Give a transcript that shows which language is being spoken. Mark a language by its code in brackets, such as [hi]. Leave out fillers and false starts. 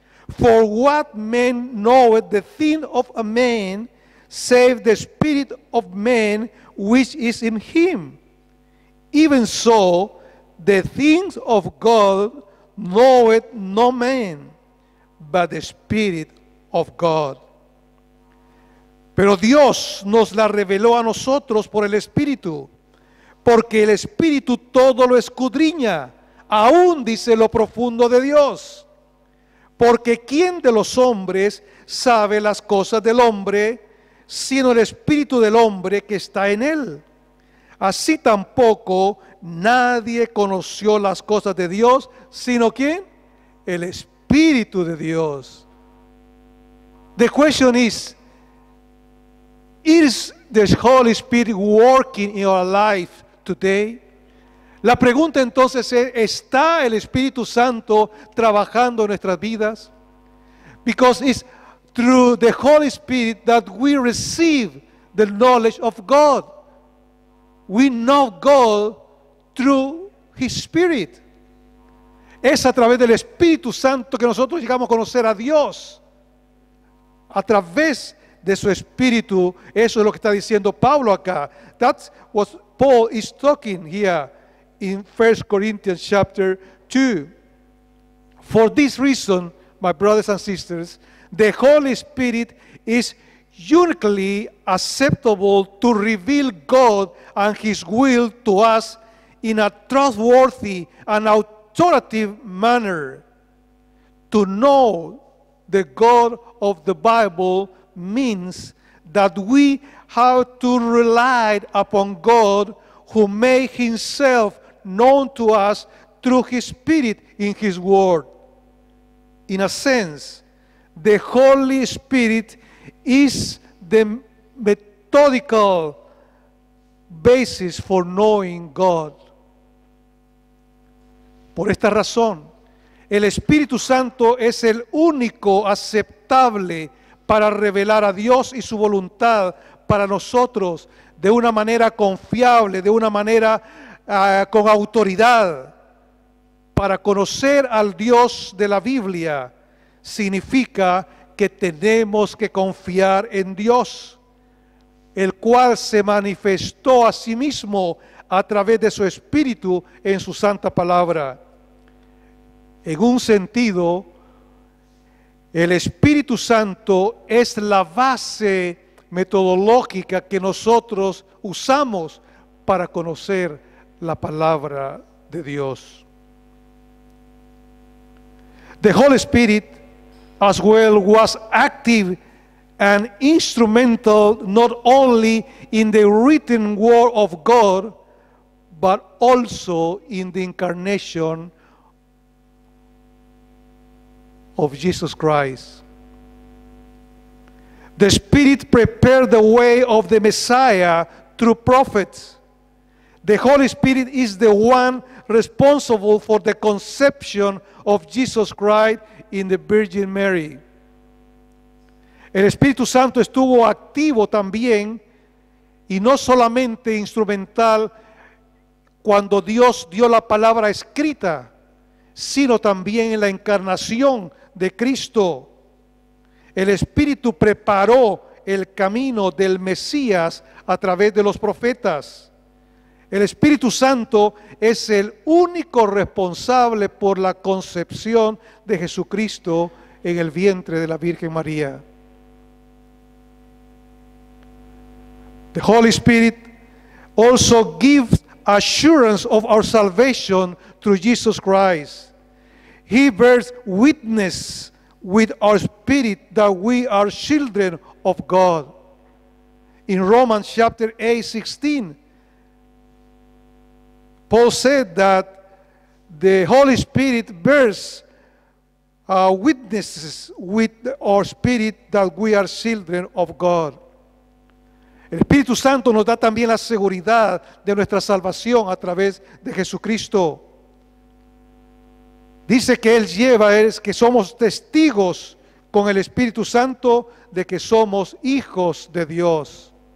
[en] For what man knoweth the thing of a man, save the spirit of man which is in him? Even so, the things of God knoweth no man, but the Spirit of God. [es] Pero Dios nos la reveló a nosotros por el Espíritu, porque el Espíritu todo lo escudriña, aún dice lo profundo de Dios. Porque ¿quién de los hombres sabe las cosas del hombre, sino el Espíritu del hombre que está en él? Así tampoco nadie conoció las cosas de Dios, sino ¿quién? El Espíritu. Espíritu de Dios. [en] The question is the Holy Spirit working in our life today? [es] La pregunta entonces es, ¿está el Espíritu Santo trabajando en nuestras vidas? [en] Because it's through the Holy Spirit that we receive the knowledge of God. We know God through His Spirit. [es] Es a través del Espíritu Santo que nosotros llegamos a conocer a Dios. A través de su Espíritu, eso es lo que está diciendo Pablo acá. [en] That's what Paul is talking here in 1 Corinthians chapter 2. For this reason, my brothers and sisters, the Holy Spirit is uniquely acceptable to reveal God and His will to us in a trustworthy and authoritative manner. To know the God of the Bible means that we have to rely upon God, who made Himself known to us through His Spirit in His Word. In a sense, the Holy Spirit is the methodical basis for knowing God. [es] Por esta razón, el Espíritu Santo es el único aceptable para revelar a Dios y su voluntad para nosotros de una manera confiable, de una manera con autoridad. Para conocer al Dios de la Biblia significa que tenemos que confiar en Dios, el cual se manifestó a sí mismo a través de su Espíritu en su santa palabra. En un sentido, el Espíritu Santo es la base metodológica que nosotros usamos para conocer la palabra de Dios. [en] The Holy Spirit as well was active and instrumental not only in the written word of God, but also in the incarnation of Jesus Christ. The Spirit prepared the way of the Messiah through prophets. The Holy Spirit is the one responsible for the conception of Jesus Christ in the Virgin Mary. [es] El Espíritu Santo estuvo activo también, y no solamente instrumental, cuando Dios dio la palabra escrita, sino también en la encarnación de Cristo. El Espíritu preparó el camino del Mesías a través de los profetas. El Espíritu Santo es el único responsable por la concepción de Jesucristo en el vientre de la Virgen María. [en] The Holy Spirit also gives assurance of our salvation through Jesus Christ. He bears witness with our spirit that we are children of God. In Romans chapter 8, 16, Paul said that the Holy Spirit bears witnesses with our spirit that we are children of God. [es] El Espíritu Santo nos da también la seguridad de nuestra salvación a través de Jesucristo. Dice que Él lleva, es que somos testigos con el Espíritu Santo de que somos hijos de Dios.